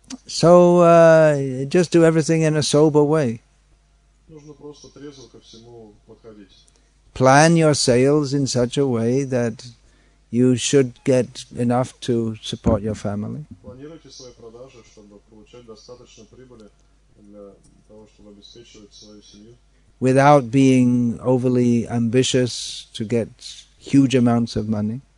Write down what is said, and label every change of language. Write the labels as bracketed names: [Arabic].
[English] So, just do everything in a sober way. [Russian] Нужно просто трезво ко всему подходить. [English] Plan your sales in such a way that you should get enough to support your family. [Russian] Планируйте свои продажи, чтобы получать достаточно прибыли для того, чтобы обеспечивать свою семью. [English] Without being overly ambitious to get huge amounts of money.